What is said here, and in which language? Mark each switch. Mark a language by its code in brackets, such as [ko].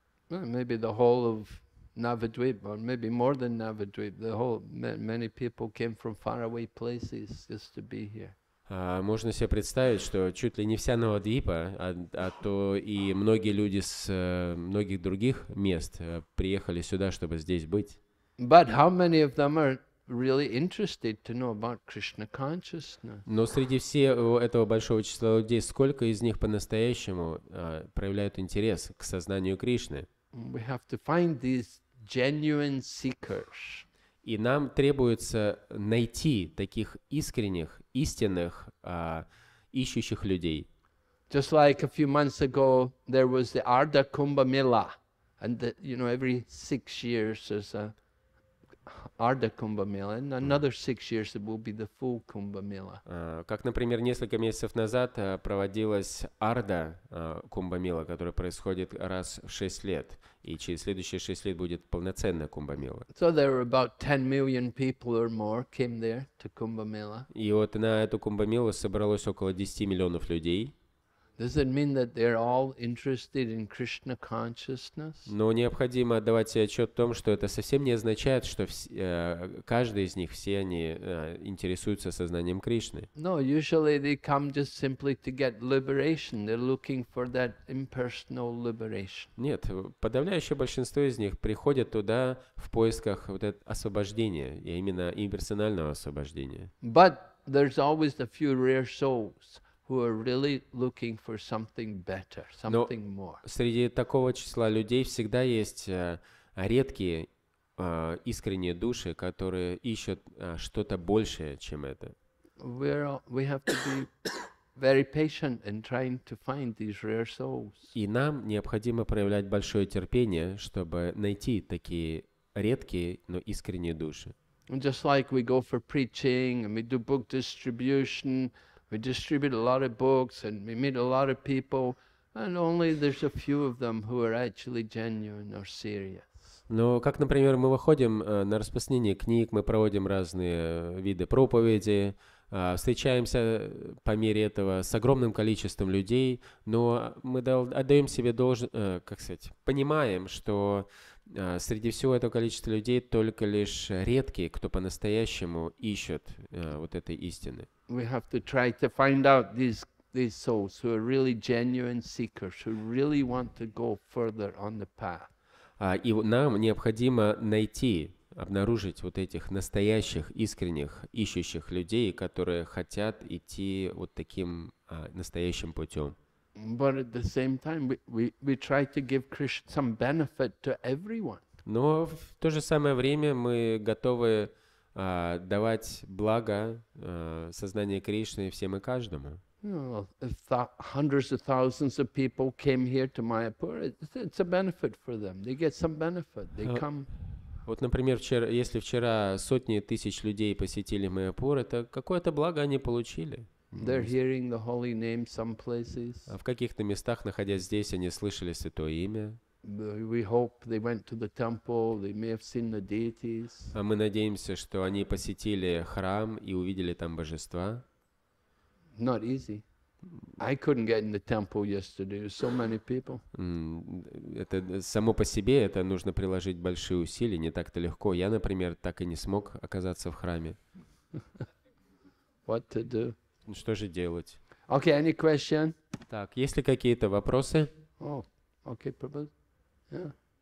[en] Maybe the whole of Navadvip, or maybe more than Navadvip, the whole many people came from faraway places just to be here. [ru] Можно себе представить, что чуть ли не вся Навадвипа, а то и многие люди с многих других мест приехали сюда, чтобы здесь быть. [en] But how many of them are really interested to know about Krishna consciousness? [ru] Но среди всего этого большого числа людей, сколько из них по-настоящему проявляют интерес к сознанию Кришны? [en] We have to find these genuine seekers. [ru] И нам требуется найти таких искренних, истинных, ищущих людей. [en] Just like a few months ago, there was the Ardha Kumbh Mela, and the, you know, every 6 years there's a Ardha Kumbh Mela, and another 6 years it will be the full Kumbh Mela. [ru] Как, например, несколько месяцев назад проводилась Ардха Кумбх Мела, которая происходит раз в 6 лет, и через следующие 6 лет будет полноценная Кумбх Мела. [en] So there were about 10 million people or more came there to Kumbh Mela. [ru] И вот на эту Кумбх Мелу собралось около 10 миллионов людей. [en] Does it mean that they're all interested in Krishna consciousness? [ru] Но необходимо отдавать себе отчет в том, что это совсем не означает, что каждый из них, все они интересуются сознанием Кришны. [en] No, usually they come just simply to get liberation. They're looking for that impersonal liberation. [ru] Нет, подавляющее большинство из них приходят туда в поисках вот этого освобождения, и именно имперсонального освобождения. [en] But there's always a few rare souls who are really looking for something better, something more. [ru] Среди такого числа людей всегда есть редкие искренние души, которые ищут что-то большее, чем это. [en] We have to be very patient in trying to find these rare souls. [ru] И нам необходимо проявлять большое терпение, чтобы найти такие редкие, но искренние души. [en] Just like we go for preaching and we do book distribution. We distribute a lot of books and we meet a lot of people, and only there's a few of them who are actually genuine or serious. [ru] Но как, например, мы выходим на распространение книг, мы проводим разные виды проповеди, встречаемся по мере этого с огромным количеством людей, но мы отдаем себе понимаем, что среди всего этого количества людей только лишь редкие, кто по-настоящему ищет вот этой истины. [en] We have to try to find out these souls who are really genuine seekers, who really want to go further on the path. [ru] И нам необходимо найти, обнаружить вот этих настоящих, искренних, ищущих людей, которые хотят идти вот таким настоящим путем. [en] But at the same time, we try to give Krishna some benefit to everyone. [ru] Но в то же самое время мы готовы давать благо сознание Кришны всем и каждому. [en] If hundreds of thousands of people came here to Mayapura, it's a benefit for them. They get some benefit. They come. [ru] Вот, например, вчера, если вчера сотни тысяч людей посетили Майяпур, это какое-то благо они получили. [en] They're hearing the holy name some places. [ru] А в каких-то местах, находясь здесь, они слышали святое имя. [en] We hope they went to the temple. They may have seen the deities. [ru] А мы надеемся, что они посетили храм и увидели там божества. [en] Not easy. I couldn't get in the temple yesterday. So many people. [ru] Это само по себе это нужно приложить большие усилия, не так-то легко. Я, например, так и не смог оказаться в храме. [en] What to do? [ru] Что же делать? [en] Okay, any question? [ru] Так, есть ли какие-то вопросы? [en] Oh, okay, Prabhupada. Yeah.